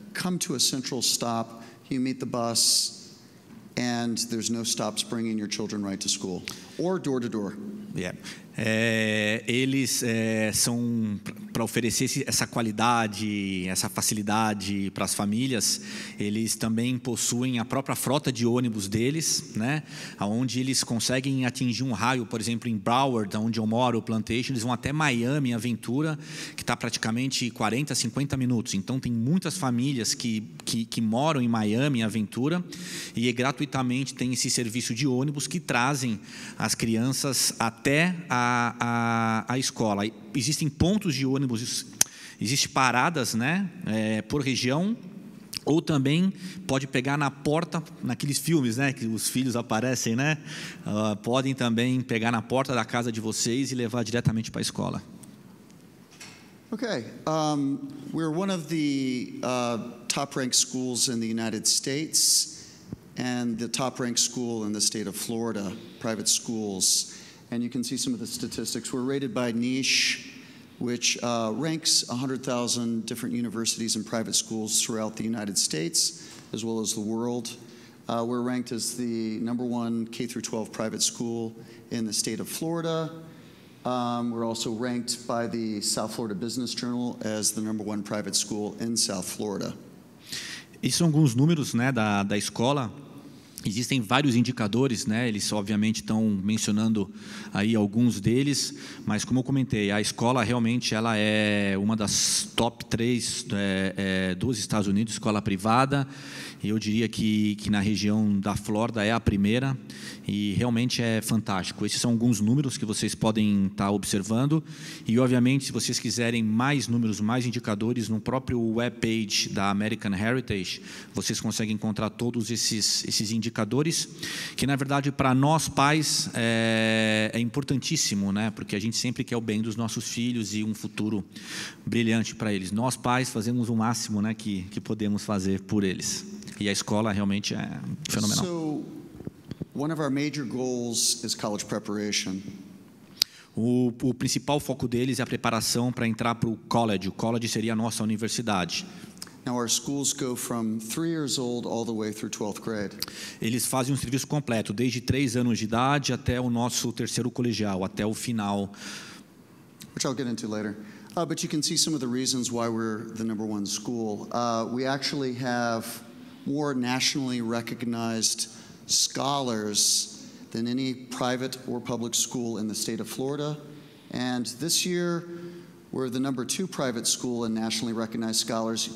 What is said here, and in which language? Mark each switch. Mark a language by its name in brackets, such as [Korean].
[English] come to a central stop, you meet the bus, and there's no stops bringing your children right to school or door to door. Yeah. [Portuguese] Eles são para oferecer essa qualidade, essa facilidade para as famílias, eles também possuem a própria frota de ônibus deles, né? Onde eles conseguem atingir um raio, por exemplo, em Broward, onde eu moro, o Plantation, eles vão até Miami, Aventura, que está praticamente 40, 50 minutos. Então, tem muitas famílias que moram em Miami, Aventura, e gratuitamente tem esse serviço de ônibus que trazem as crianças até a escola. Existem pontos de ônibus, existem paradas, né, por região, ou também pode pegar na porta, naqueles filmes, né, que os filhos aparecem, né, podem também pegar na porta da casa de vocês e levar diretamente para a escola. [English] Okay, we're one of the top-ranked schools in the United States and the top-ranked school in the state of Florida, private schools. And you can see some of the statistics. We're rated by NEESH, which ranks 100,000 different universities and private schools throughout the United States, as well as the world. We're ranked as the number one K-12 private school in the state of Florida. We're also ranked by the South Florida Business Journal as the number one private school in South Florida. [Portuguese] Esses são alguns números, né, da escola. Existem vários indicadores, né? Eles obviamente estão mencionando aí alguns deles, mas como eu comentei, a escola realmente ela é uma das top 3 dos Estados Unidos, escola privada, e eu diria que na região da Flórida é a primeira, e realmente é fantástico. Esses são alguns números que vocês podem estar observando, e obviamente se vocês quiserem mais números, mais indicadores, no próprio webpage da American Heritage, vocês conseguem encontrar todos esses indicadores, que na verdade para nós pais é importantíssimo, né? Porque a gente sempre quer o bem dos nossos filhos e um futuro brilhante para eles. Nós pais fazemos o máximo, né, que podemos fazer por eles. E a escola realmente é fenomenal. [English] So, one of our major goals is college preparation. [Portuguese] O principal foco deles é a preparação para entrar para o college. O college seria a nossa universidade. [English] Now our schools go from 3 years old all the way through 12th grade. [Portuguese] Eles fazem um serviço completo, desde 3 anos de idade até o nosso terceiro colegial, até o final. [English] Which I'll get into later. But you can see some of the reasons why we're the number one school. We actually have more nationally recognized scholars than any private or public school in the state of Florida. And this year, we're the number two private school in nationally recognized scholars.